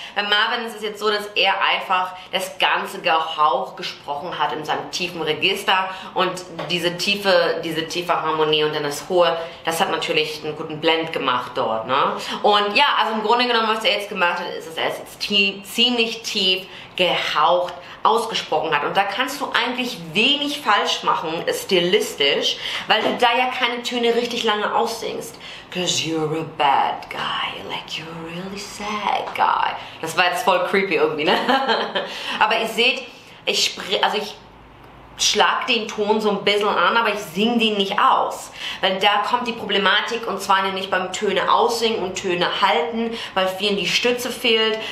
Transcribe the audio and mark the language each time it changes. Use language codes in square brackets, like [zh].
[de] Bei Marvin ist es jetzt so, dass er einfach das ganze Gehauch gesprochen hat in seinem tiefen Register und diese tiefe Harmonie und dann das hohe, das hat natürlich einen guten Blend gemacht dort, ne? Und ja, also im Grunde genommen, was er jetzt gemacht hat, ist, dass er es jetzt ziemlich tief gehaucht ausgesprochen hat. Und da kannst du eigentlich wenig falsch machen, stilistisch, weil du da ja keine Töne richtig lange aussingst. [en] 'Cause you're a bad guy, like you're a really sad guy. [de] Das war jetzt voll creepy irgendwie, ne? Aber ihr seht, ich schlag den Ton so ein bisschen an, aber ich singe den nicht aus. Weil da kommt die Problematik, und zwar nicht beim Töne aussingen und Töne halten, weil vielen die Stütze fehlt.